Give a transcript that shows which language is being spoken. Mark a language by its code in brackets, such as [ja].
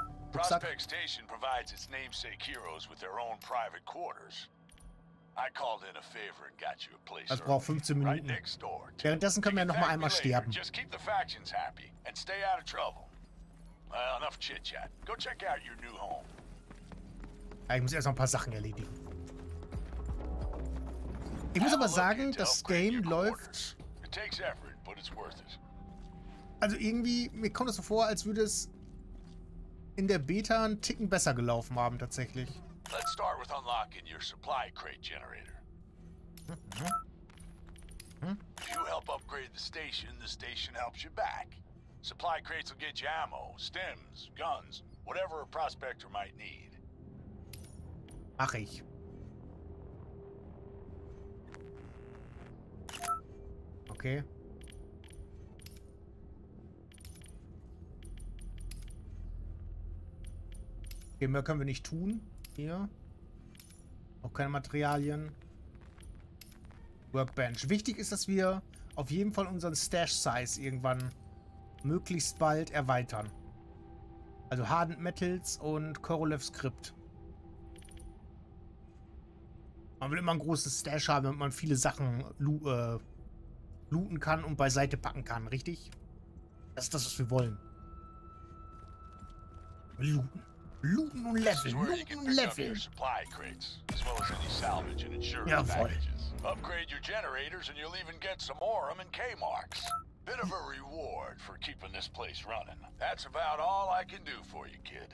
[en] Prospect Station provides its namesake heroes with their own private quarters. I called in a favor and got you a place. [de] Das braucht 15 Minuten. Währenddessen können wir noch mal einmal sterben. [en] Just keep the factions happy and stay out of trouble. Well, enough chit chat. Go check out your new home. [de] Ich muss erst noch ein paar Sachen erledigen. Ich muss aber sagen, das Game läuft. [en] It takes effort, but it's worth it. [de] Also irgendwie, mir kommt es so vor, als würde es in der Beta ein Ticken besser gelaufen haben, tatsächlich. [en] Let's start with unlocking your supply crate generator. If you help upgrade the station helps you back. Supply crates will get you ammo, stems, guns, whatever a prospector might need. [de] Mach ich. Okay. Okay, mehr können wir nicht tun. Hier. Auch keine Materialien. Workbench. Wichtig ist, dass wir auf jeden Fall unseren Stash-Size irgendwann möglichst bald erweitern. Also Hardened Metals und Korolev-Skript. Man will immer ein großes Stash haben, damit man viele Sachen looten kann und beiseite packen kann, richtig? Das ist das, was wir wollen. Looten. Looten und Level, Looten und Level. [en] Supply crates, as well as any salvage and insurance packages. Upgrade your generators and you'll even get some Aurum and K-Marks. Bit of a reward for keeping this place running. That's about all I can do for you, kid.